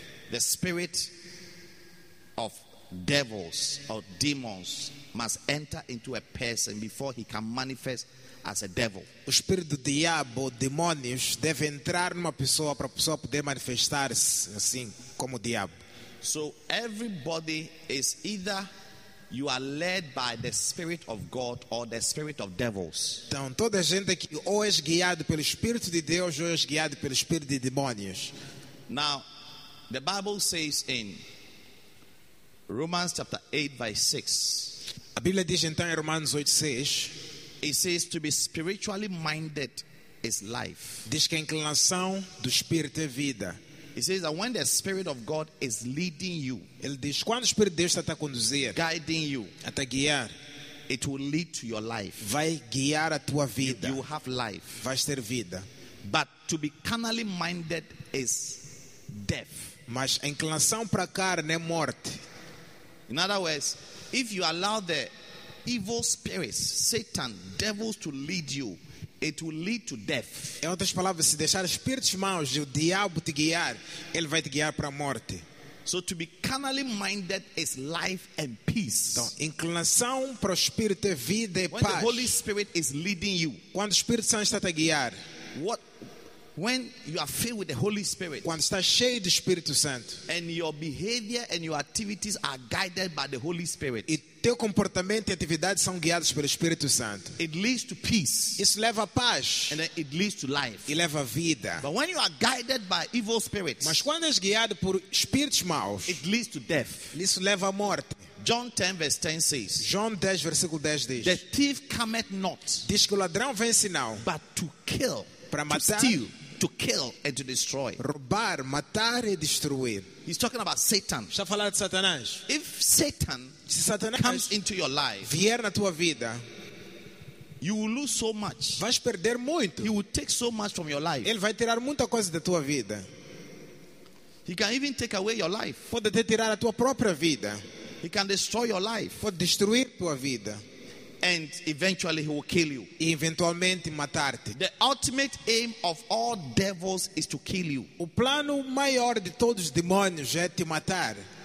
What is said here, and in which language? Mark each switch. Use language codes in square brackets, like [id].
[en] The spirit of devils or demons must enter into a person before he can manifest as a devil. [pt] O espírito do diabo, demônios, deve entrar numa pessoa para a pessoa poder manifestar-se assim como diabo. [en] So everybody is either you are led by the spirit of God or the spirit of devils. [pt] Então toda a gente aqui ou é guiado pelo espírito de Deus ou é guiado pelo espírito de demônios. [en] Now, the Bible says in Romans chapter 8 verse 6. [pt] A Bíblia diz então em Romanos 8:6, [en] it says to be spiritually minded is life. [pt] Diz que a inclinação do espírito é vida. [en] He says that when the Spirit of God is leading you, [pt] ele diz, quando o Espírito de Deus está a conduzir, [en] guiding you, [pt] a te guiar, [en] it will lead to your life. [pt] Vai guiar a tua vida. [en] You will have life. [pt] Vais ter vida. [en] But to be carnally minded is death. [pt] Mas a inclinação para a carne é morte. [en] In other words, if you allow the evil spirits, Satan, devils to lead you, it will lead to death. [pt] Em outras palavras, se deixar espíritos maus e o diabo te guiar, ele vai te guiar para a morte. [en] So to be carnally minded is life and peace. [pt] Então, inclinação para o espírito é vida e [en] when [pt] paz. [en] The Holy Spirit is leading you. [pt] Quando o Espírito Santo está a guiar. [en] What when you are filled with the Holy Spirit. [pt] Quando está cheio do Espírito Santo. [en] And your behavior and your activities are guided by the Holy Spirit. [pt] Teu comportamento e atividades são guiados pelo Espírito Santo. [en] It leads to peace. [pt] Isso leva a paz. [en] And then it leads to life. [pt] E leva a vida. [en] But when you are guided by evil spirits, [pt] mas quando és guiado por espíritos maus, [en] it leads to death. [pt] Isso leva à morte. [en] John 10, verse 10 says, [pt] João 10, versículo 10 diz, [en] the thief cometh not, [pt] diz que o ladrão vem sinal, [en] but to kill, [pt] para matar, [en] to steal, to kill and to destroy. [pt] Roubar, matar e destruir. [en] He's talking about Satan. [pt] Está a falar de Satanás. [en] If Satan, [pt] se Satanás [en] comes into your life, [pt] vier na tua vida, [en] you will lose so much. [pt] Vais perder muito. [en] He will take so much from your life. [pt] Ele vai tirar muita coisa da tua vida. [en] He can even take away your life. [pt] Pode até tirar a tua própria vida. [en] He can destroy your life. [pt] Pode destruir tua vida. [en] And eventually he will kill you. [pt] E eventualmente matar-te. [en] The ultimate aim of all devils is to kill you. [pt] O plano maior de todos os demônios é te matar.